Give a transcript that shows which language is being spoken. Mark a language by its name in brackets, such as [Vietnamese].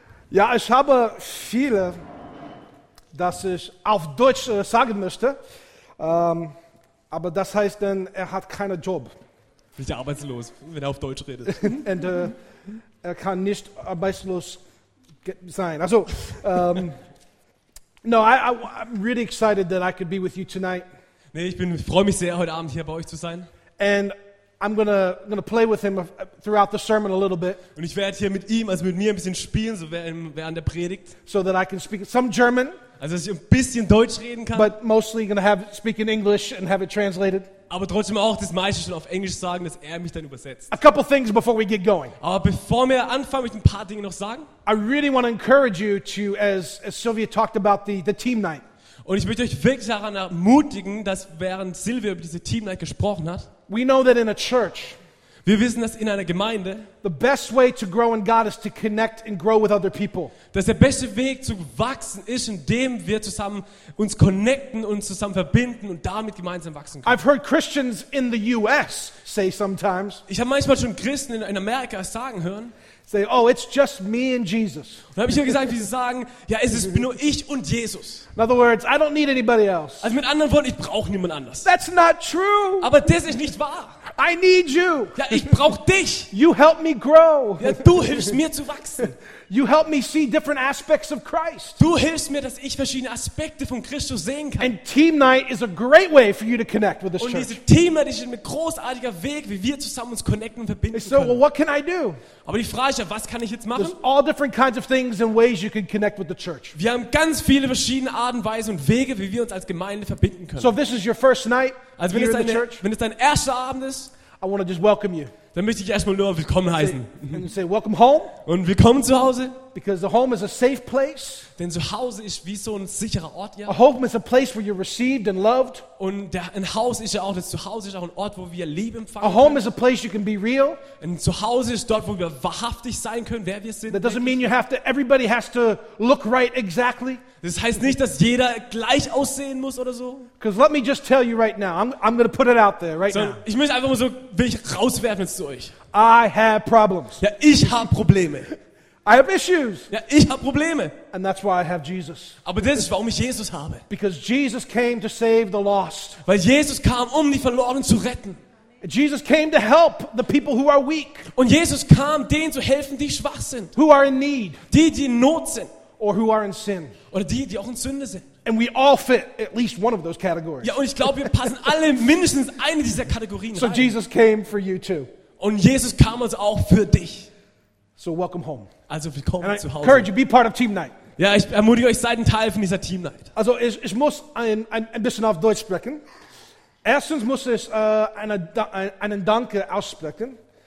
[German] Ja, ich habe viele, dass ich auf Deutsch sagen möchte, aber das heißt dann, er hat keinen Job. Bin ich arbeitslos, wenn er auf Deutsch redet. Und er kann nicht arbeitslos sein. [English] Also, no, I'm really excited that I could be with you tonight. [German] Nee, ich freue mich sehr, heute Abend hier bei euch zu sein. [English] And I'm gonna play with him throughout the sermon a little bit. [German] Und ich werde hier mit ihm, also mit mir ein bisschen spielen, so während der Predigt. [English] So that I can speak some German. [German] Also dass ich ein bisschen Deutsch reden kann. [English] But mostly gonna have speak in English and have it translated. [German] Aber trotzdem auch das meiste schon auf Englisch sagen, dass er mich dann übersetzt. [English] A couple things before we get going. [German] Aber bevor wir anfangen, möchte ich ein paar Dinge noch sagen. [English] I really want to encourage you to, as Sylvia talked about the team night. [German] Und ich möchte euch wirklich daran ermutigen, dass während Sylvia über diese Team night gesprochen hat. [English] We know that in a church. [German] Wir wissen, dass in einer Gemeinde. [English] The best way to grow in God is to connect and grow with other people. [German] Dass der beste Weg zu wachsen ist, indem wir zusammen uns connecten und zusammen verbinden und damit gemeinsam wachsen können. [English] I've heard Christians in the U.S. say sometimes. [German] Ich habe manchmal schon Christen in Amerika sagen hören. [English] Say, oh, it's just me and Jesus. [German] Und habe ich ihnen gesagt, wie sie sagen, ja, es ist nur ich und Jesus. [English] In other words, I don't need anybody else. [German] Also mit anderen Worten, ich brauche niemand anders. [English] That's not true. [German] Aber das ist nicht wahr. [English] I need you. [German] Ja, ich brauche dich. [English] You help me grow. [German] Ja, du hilfst mir zu wachsen. [English] You help me see different aspects of Christ. [German] Du hilfst mir, dass ich verschiedene Aspekte von Christus sehen kann. [English] And team night is a great way for you to connect with this church. [German] Und diese Team Night ist ein großartiger Weg, wie wir zusammen uns connecten und verbinden können. [English] So, well, what can I do? [German] Aber die Frage ist ja, was kann ich jetzt machen? [English] There's all different kinds of things and ways you can connect with the church. [German] Wir haben ganz viele verschiedene Arten, Weise und Wege, wie wir uns als Gemeinde verbinden können. [English] So, if this is your first night. [German] Also, wenn es dein erster Abend ist, [English] I want to just welcome you. [German] Dann möchte ich erstmal nur willkommen heißen. [English] And say welcome home. [German] Und willkommen zu Hause. [English] Because the home is a safe place. [German] Denn zu Hause ist wie so ein sicherer Ort, ja. [English] A home is a place where you're received and loved. [German] Und ein Haus ist ja auch das Zuhause, ist auch ein Ort, wo wir Liebe empfangen. [English] A home is a place you can be real. [German] Und zu Hause ist dort, wo wir wahrhaftig sein können, wer wir sind. [English] That doesn't mean you have to. Everybody has to look right exactly. [German] Das heißt nicht, dass jeder gleich aussehen muss oder so. [English] Because let me just tell you right now, I'm going to put it out there right so, now. [German] Ich möchte einfach mal so wirklich rauswerfen zu euch. [English] I have problems. [German] Ja, ich habe Probleme. [English] I have issues. [German] Ja, ich habe Probleme. [English] And that's why I have Jesus. [German] Aber das ist, warum ich Jesus habe. [English] Because Jesus came to save the lost. [German] Weil Jesus kam, die Verlorenen zu retten. [English] Jesus came to help the people who are weak. [German] Und Jesus kam, denen zu helfen, die schwach sind. [English] Who are in need. [German] Die in Not sind. [English] Or who are in sin. [German] Oder die auch in Sünde sind. [English] And we all fit at least one of those categories. [German] Ja, und ich glaube, wir passen alle mindestens eine dieser Kategorien so rein. [English] Jesus came for you too. [German] Und Jesus kam also auch für dich. [English] So welcome home. [German] Also willkommen [English] and [German] zu Hause. [English] Encourage you, be part of team night. [German] Ja, ich ermutige euch, seid ein Teil von dieser Team Night. Also ich muss ein bisschen auf Deutsch sprechen. Erstens muss ich einen Danke aussprechen.